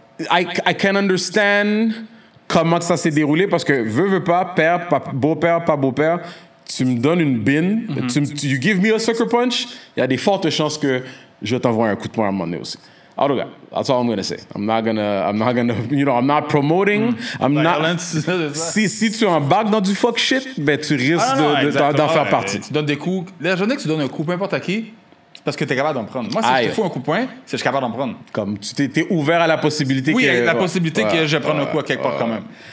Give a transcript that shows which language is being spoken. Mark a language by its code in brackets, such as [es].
[en] I can understand [fr] comment ça s'est déroulé, parce que veux pas, père, pas beau-père, pas beau-père, tu me donnes une bine, [en] you give me a sucker punch, [fr] il y a des fortes chances que je t'envoie un coup de poing à un moment donné aussi. [en] Oh, okay. That's all I'm gonna say. I'm not gonna, you know, I'm not promoting. [fr] Si tu embarques dans du [en] fuck shit, [fr] ben tu risques d'en faire partie. Tu donnes des coups. La journée que tu donnes un coup, peu importe à qui, c'est parce que t'es capable d'en prendre. Moi, si je te fous un coup de poing, c'est que je suis capable d'en prendre. Comme tu t'es ouvert à la possibilité que je prenne un coup à quelque part quand même.